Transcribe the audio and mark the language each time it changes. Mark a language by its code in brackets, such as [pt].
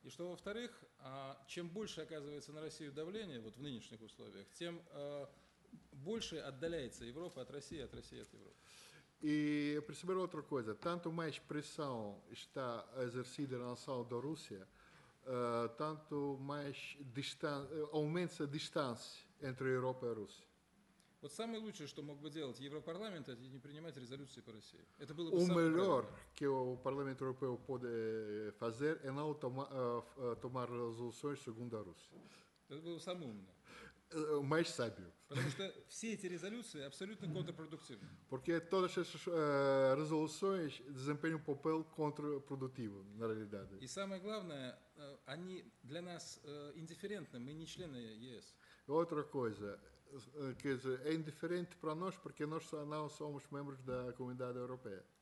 [ru] И что, во-вторых, чем больше оказывается на Россию давление, вот в нынешних условиях, тем больше отдаляется Европа от России, от России от Европы. [pt] И perceber outra coisa, tanto mais pressão está exercida na relação da Rússia, tanto mais aumenta a distância entre a Europa e a Rússia. [ru] Вот самое лучшее, что мог бы делать Европарламент, это не принимать резолюции по России. Это было бы самое правильное. [pt] Melhor que o Parlamento Europeu pode fazer é não tomar resoluções segundo a Rússia. [ru] Это было бы самое умное. [pt] Mais sábio. [ru] Потому что все эти резолюции абсолютно контрпродуктивны. [pt] Porque todas essas resoluções desempenham um papel contraprodutivo, na realidade. [ru] И самое главное, они для нас индифферентны, мы не члены ЕС. [pt] Outra coisa, quer dizer, é indiferente para nós porque nós não somos membros da comunidade europeia.